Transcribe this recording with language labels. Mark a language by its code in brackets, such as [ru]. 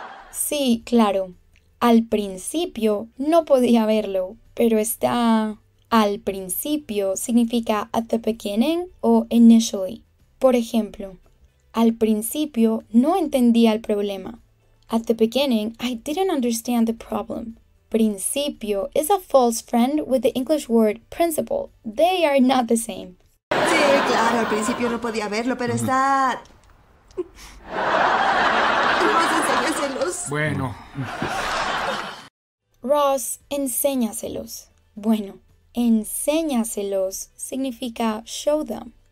[es] Sí, claro. Al principio no podía verlo, pero está... Al principio significa [en] at the beginning [es] o initially. Por ejemplo, al principio no entendía el problema. [en] At the beginning, I didn't understand the problem. Principio is a false friend with the English word principle. They are not the same. [es] Sí, claro, al principio no podía verlo, pero está... Ross, enséñaselos. Bueno. Ross, enséñaselos. Bueno, enséñaselos significa [en] show them.